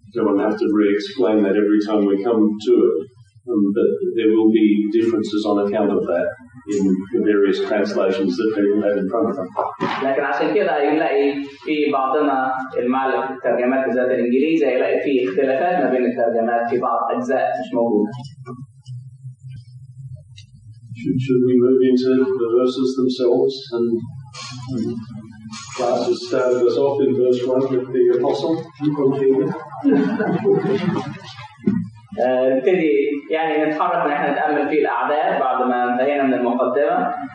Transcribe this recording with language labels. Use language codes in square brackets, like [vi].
[en] We don't have to re-explain that every time we come to it, but there will be differences on account of that in the various translations that people have in front of them. [ar] لكن عشان كده يلاقي في بعضنا المعلق الترجمات بالذات الإنجليزية يلاقي في اختلافات ما بين الترجمات في بعض أجزاء مش موجودة. [en] Should we move into the verses themselves and class has started us off in verse 1 with the apostle and continue. [ar] نبتدي يعني نتحرك نحن نتأمل في الأعداد بعد ما انتهينا من المقدمة.